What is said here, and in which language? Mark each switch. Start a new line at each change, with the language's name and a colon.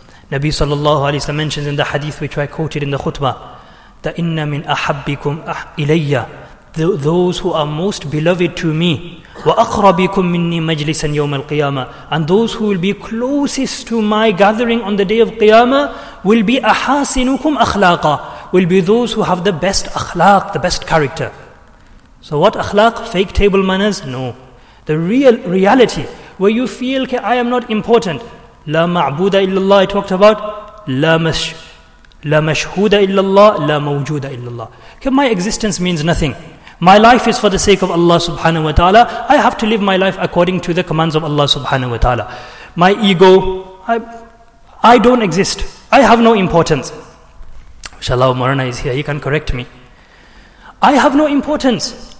English: Nabi sallallahu alayhi wa sallam mentions in the hadith which I quoted in the khutbah, that
Arabic: إِنَّ مِنْ أَحَبِّكُمْ إِلَيَّ
English: those who are most beloved to me,
Arabic: وَأَقْرَبِكُمْ مِنِّي مَجْلِسًا يَوْمَ الْقِيَامَةِ,
English: and those who will be closest to my gathering on the day of Qiyamah will be
Arabic: أَحَاسِنُكُمْ أَخْلَاقًا,
English: will be those who have the best akhlaq, the best character. So what akhlaq? Fake table manners? No. The real reality, where you feel, okay, I am not important.
Arabic: لا معبود إلا الله,
English: I talked about.
Arabic: لا مشهود إلا الله, لا موجود إلا الله.
English: Okay, my existence means nothing. My life is for the sake of Allah subhanahu wa ta'ala. I have to live my life according to the commands of Allah subhanahu wa ta'ala. My ego, I don't exist. I have no importance. Inshallah, Marana is here, he can correct me. I have no importance.